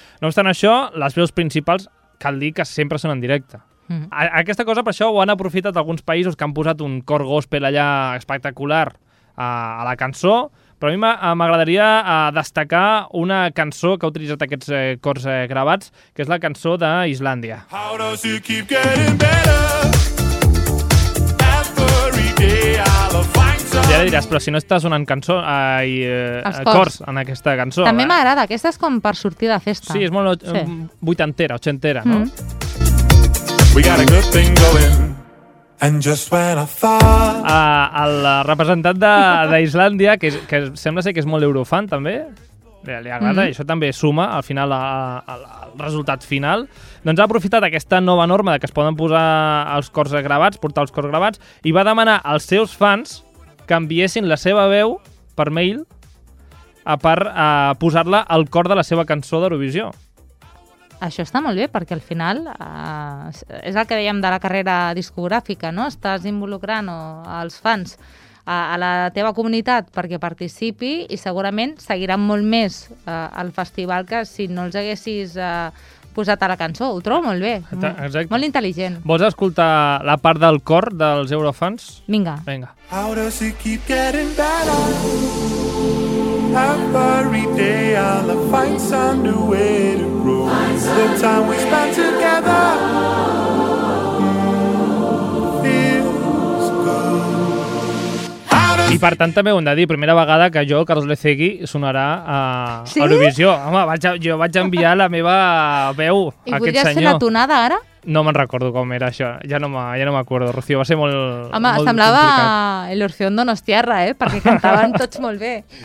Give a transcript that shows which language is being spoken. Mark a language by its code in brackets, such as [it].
[ca] No obstant això, les veus principals cal dir que sempre són en directe. Aquesta cosa, per això, ho han aprofitat alguns països que han posat un cor gospel allà espectacular a la cançó, però a mi m'agradaria destacar una cançó que ha utilitzat aquests cors gravats, que és la cançó d'Islàndia. [en] How does it keep getting better? Every day I'll find some... [ca] I ara diràs, però si no està sonant cançó i cors en aquesta cançó. També m'agrada, aquesta és com per sortir de festa. Sí, és molt vuitantera, ochentera, no? [en] We got a good thing going. And just when I thought... [ca] el representant d'Islàndia, que sembla ser que és molt eurofan, també, li agrada, mm-hmm. I això també suma al final al resultat final, doncs ha aprofitat aquesta nova norma de que es poden posar els cors gravats, portar els cors gravats, i va demanar als seus fans que enviessin la seva veu per mail per posar-la al cor de la seva cançó d'Eurovisió. Això està molt bé, perquè al final és el que dèiem de la carrera discogràfica, no? Estàs involucrant els fans a la teva comunitat perquè participi i segurament seguiran molt més el festival que si no els haguessis posat a la cançó. Ho trobo molt bé. Exacte. Molt intel·ligent. Vols escoltar la part del cor dels Eurofans? Vinga. Vinga. [en] How does it keep getting better? Every day I'll find some new way to... The time we spent together feels good. [ca] I per tant també ho hem de dir, primera vegada que jo, Carlos Lecegui, sonarà a Eurovisió. Sí? Home, jo vaig enviar la meva veu a aquest senyor. I podries fer la tonada ara? No me'n recordo com era això, ja no m'acordo, Rocío, va ser molt complicat. Home, molt semblava l'Orfeón Donostiarra, perquè cantaven tots molt bé.